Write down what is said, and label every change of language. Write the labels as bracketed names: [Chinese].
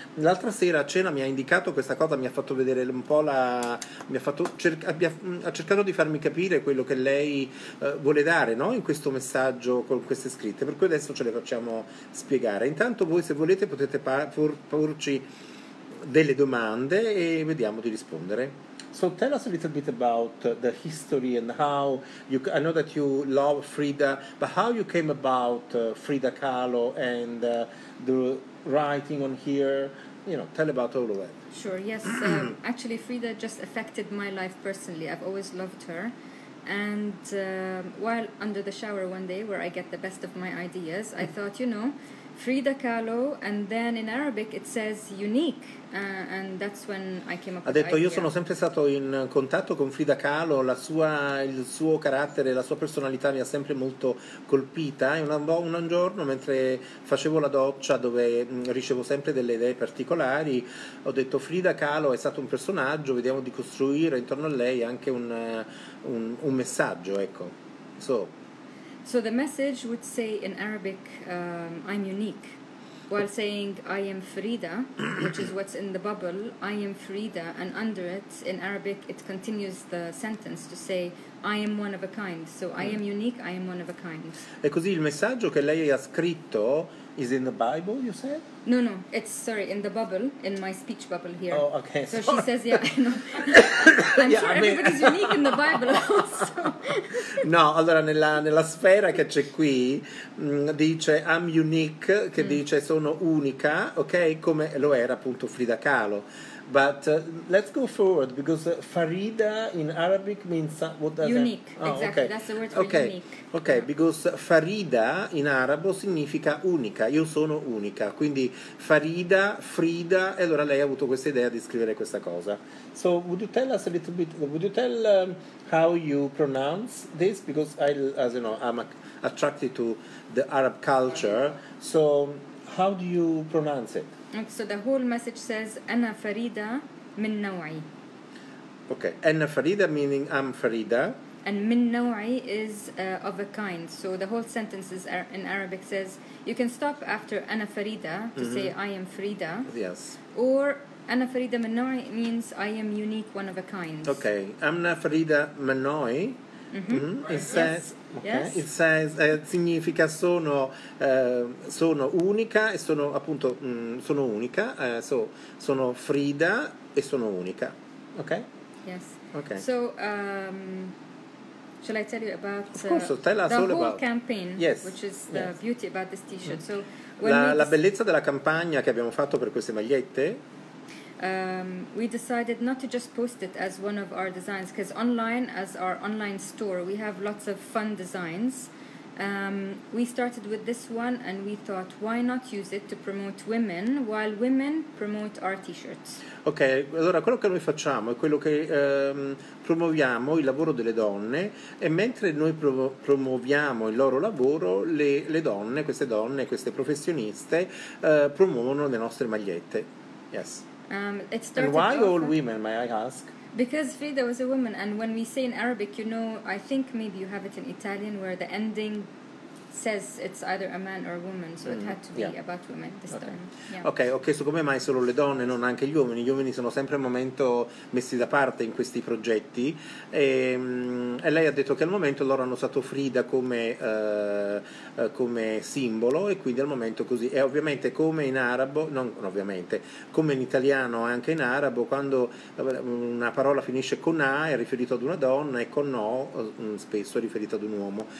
[Italian] L'altra sera a cena mi ha indicato questa cosa, mi ha fatto vedere un po' ha cercato di farmi capire quello che lei vuole dare, no, in questo messaggio con queste scritte, per cui adesso ce le facciamo spiegare. Intanto voi, se volete, potete delle domande e vediamo di rispondere. [English] So tell us a little bit about the history and how you, I know that you love Frida, but how you came about Frida Kahlo and the writing on here, you know, tell about all of that. Sure, yes. Actually, Frida just affected my life personally. I've always loved her. And while under the shower one day, where I get the best of my ideas, I thought, you know, Frida Kahlo, and then in Arabic it says unique, and that's when I came up. [Italian] Ha detto [English] with [Italian] io sono sempre stato in contatto con Frida Kahlo, il suo carattere, la sua personalità mi ha sempre molto colpita. E un giorno mentre facevo la doccia, dove ricevo sempre delle idee particolari, ho detto Frida Kahlo è stato un personaggio, vediamo di costruire intorno a lei anche un messaggio, ecco. [English] So the message would say in Arabic, I'm unique, while saying I am Frida, which is what's in the bubble, I am Frida, and under it, in Arabic, it continues the sentence to say, I am one of a kind, so I am unique, I am one of a kind. [Italian] E così il messaggio che lei ha scritto [English] is in the Bible, you said? No, it's, sorry, in the bubble, in my speech bubble here. Oh, okay. So she says, yeah, no. Everybody's unique in the Bible also. [Italian] No, allora nella sfera che c'è qui, dice, [English] I'm unique, [Italian] che dice, sono unica, ok, come lo era appunto Frida Kahlo. [English] But let's go forward, because Farida in Arabic means what does unique. That? Unique, oh, exactly, okay. That's the word for okay. unique. Okay, yeah. Because [Italian] Farida in arabo significa unica, io sono unica. Quindi Farida, Frida, e allora lei ha avuto questa idea di scrivere questa cosa. [English] So would you tell us a little bit, would you tell how you pronounce this? Because I, as you know, I'm attracted to the Arab culture, so how do you pronounce it? So the whole message says, [Arabic] Anna Farida min Nawai. [English] Okay, Anna Farida meaning I'm Farida. And [Arabic] min Nawai [English] is of a kind. So the whole sentence is in Arabic says, you can stop after Anna Farida to say, I am Farida. Yes. Or [Arabic] Anna Farida min Nawai [English] means I am unique, one of a kind. Okay, [Arabic] Anna Farida min Nawai. [English] It says, yes. Okay. Yes. It says, [Italian] significa sono sono unica e sono appunto sono unica, sono Frida e sono unica. [English] Okay? Yes. Okay. So shall I tell you about the whole campaign? Yes. Which is the beauty about this t-shirt. Mm-hmm. So [Italian] la bellezza della campagna che abbiamo fatto per queste magliette. [English] We decided not to just post it as one of our designs, because online, as our online store, we have lots of fun designs. We started with this one, and we thought, why not use it to promote women, while women promote our t-shirts. [Italian] Ok, allora quello che noi facciamo è quello che promuoviamo il lavoro delle donne, e mentre noi promuoviamo il loro lavoro, le donne, queste professioniste, promuovono le nostre magliette. [English] Yes. It started. And why often? All women, may I ask? Because Frida was a woman, and when we say in Arabic, you know, I think maybe you have it in Italian, where the ending says it's either a man or a woman, so it had to be about women this time. Yeah. [Italian] Ok, ho chiesto come mai solo le donne, non anche gli uomini. Gli uomini sono sempre al momento messi da parte in questi progetti, e lei ha detto che al momento loro hanno usato Frida come simbolo, e quindi al momento così. E ovviamente come in arabo, non ovviamente, come in italiano e anche in arabo, quando una parola finisce con A è riferito ad una donna, e con O spesso è riferito ad un uomo.